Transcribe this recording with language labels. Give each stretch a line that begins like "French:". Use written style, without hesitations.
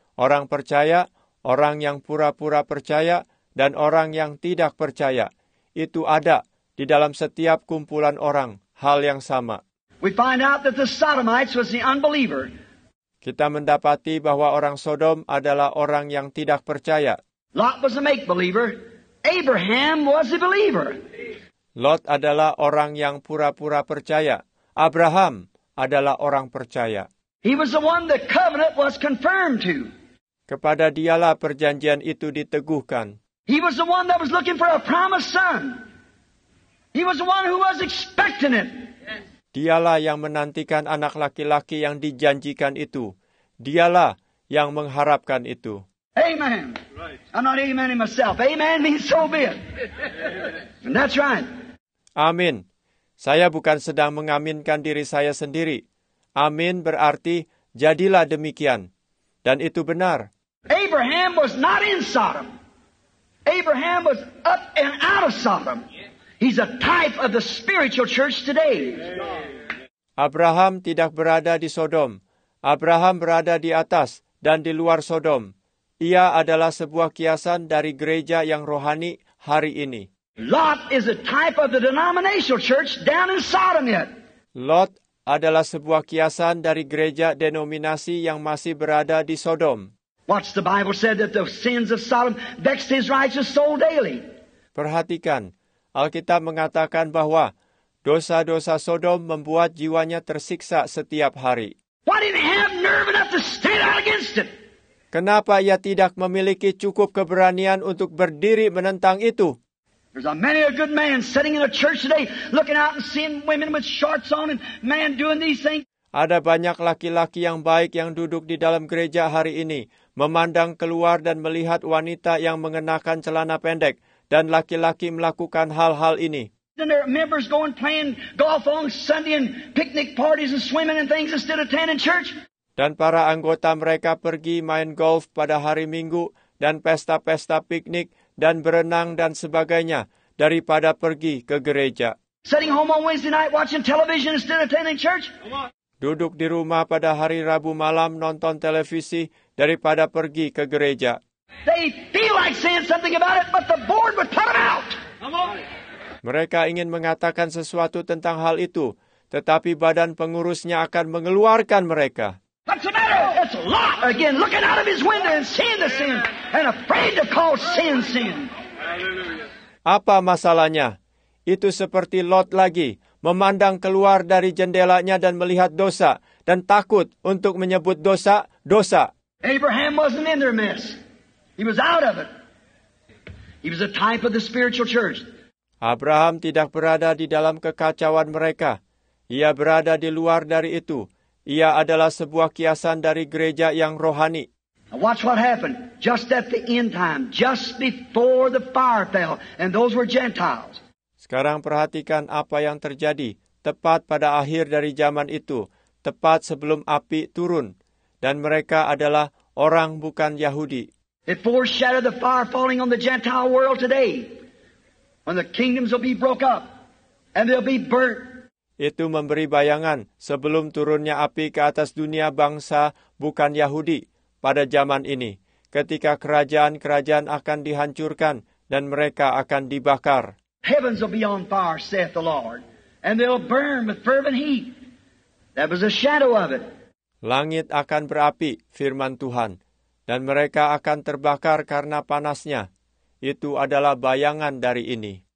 Indonesian: Orang percaya, orang yang pura-pura percaya, dan orang yang tidak percaya. Itu ada di dalam setiap kumpulan orang. Hal yang sama.
English: We find out that the Sodomites was the unbeliever.
Indonesian: Kita mendapati bahwa orang Sodom adalah orang yang tidak percaya.
English: Lot was a make-believer. Abraham was a believer.
Indonesian: Lot adalah orang yang pura-pura percaya. Abraham adalah orang percaya.
English: He was the one the covenant was confirmed to.
Indonesian: Kepada dialah perjanjian itu diteguhkan.
English: He was the one that was looking for a promised son. He was the one who was expecting it.
Indonesian: Dialah yang menantikan anak laki-laki yang dijanjikan itu. Dialah yang mengharapkan itu.
English: Amen. I'm not amening myself. Amen means so be it. And that's right.
Indonesian: Amin. Saya bukan sedang mengaminkan diri saya sendiri. Amin berarti jadilah demikian. Dan itu benar.
English: Abraham was not in Sodom. Abraham was up and out of Sodom. He's a type of the spiritual church today.
Indonesian: Abraham tidak berada di Sodom. Abraham berada di atas dan di luar Sodom. Ia adalah sebuah kiasan dari gereja yang rohani hari ini.
English: Lot is a type of the denominational church down in Sodom yet.
Indonesian: Lot adalah sebuah kiasan dari gereja denominasi yang masih berada di Sodom.
English: Watch, the Bible said that the sins of Sodom vexed his righteous soul daily.
Indonesian: Perhatikan, Alkitab mengatakan bahwa dosa-dosa Sodom membuat jiwanya tersiksa setiap hari.
English: Why didn't he have nerve enough to stand out against it?
Indonesian: Kenapa ia tidak memiliki cukup keberanian untuk berdiri menentang itu?
English: There's a many a good man sitting in a church today looking out and seeing women with shorts on and man doing these things.
Indonesian: Ada banyak laki-laki yang baik yang duduk di dalam gereja hari ini, memandang keluar dan melihat wanita yang mengenakan celana pendek, dan laki-laki melakukan hal-hal ini.
English: Then there are members going playing golf on Sunday and picnic parties and swimming and things instead of attending church.
Indonesian: Dan para anggota mereka pergi main golf pada hari Minggu dan pesta-pesta piknik dan berenang dan sebagainya daripada pergi ke gereja.
English: Sitting home on Wednesday night watching television instead of attending church.
Indonesian: Duduk di rumah pada hari Rabu malam nonton televisi daripada pergi ke gereja.
English: They feel like saying something about it, but the board would put them out.
Indonesian: Mereka ingin mengatakan sesuatu tentang hal itu, tetapi badan pengurusnya akan mengeluarkan mereka.
English: What's the matter? It's Lot again, looking out of his window and seeing the sin, and afraid to call sin, sin.
Indonesian: Apa masalahnya? Itu seperti Lot lagi, memandang keluar dari jendelanya dan melihat dosa, dan takut untuk menyebut dosa, dosa.
English: Abraham wasn't in their mess. He was out of it. He was a type of the spiritual church.
Indonesian: Abraham tidak berada di dalam kekacauan mereka. Ia berada di luar dari itu. Ia adalah sebuah kiasan dari gereja yang rohani.
English: Watch what happened. Just at the end time, just before the fire fell, and those were Gentiles.
Indonesian: Sekarang perhatikan apa yang terjadi tepat pada akhir dari zaman itu, tepat sebelum api turun, dan mereka adalah orang bukan Yahudi.
English: It foreshadowed the fire falling on the Gentile world today. When the kingdoms will be broke up and they'll be burnt.
Indonesian: Itu memberi bayangan sebelum turunnya api ke atas dunia bangsa bukan Yahudi pada zaman ini, ketika kerajaan-kerajaan akan dihancurkan dan mereka akan dibakar.
English: Heavens will be on fire, saith the Lord, and they'll burn with fervent heat. That was a shadow of it.
Indonesian: Langit akan berapi, firman Tuhan, dan mereka akan terbakar karena panasnya. Itu adalah bayangan dari ini.